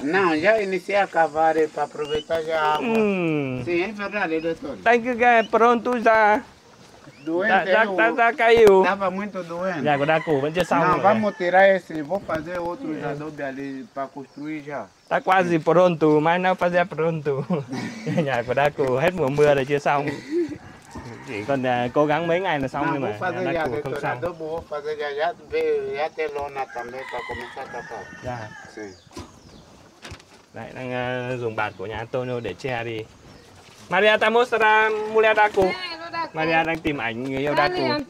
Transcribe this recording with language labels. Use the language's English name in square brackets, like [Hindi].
[Portuguese] Não, já iniciei a cavar para aproveitar já a água. Sim, é verdade, diretor. Tem que ir pronto já. Doente, já caiu. Tava muito doente. Já, o Daku, vamos tirar esse. Não, vamos tirar esse. Vou fazer outro adobe ali para construir já. Tá quase pronto, mas não fazia pronto. [Vietnamese] Nhà của Đa Cụ hết mùa mưa rồi chưa xong. Chỉ còn cố gắng mấy ngày là xong [Portuguese] não, [Vietnamese] nhưng mà Đa Cụ không xong. [Portuguese] Não, vou fazer já, doutora. Já tem lona também para começar a tapar. Já. [Vietnamese] Lại đang dùng bạt của nhà Antonio để che đi. [Portuguese] Maria ta mostra mulher [Vietnamese] Đa Cụ. Maria đang tìm ảnh người yêu Đa Cụ.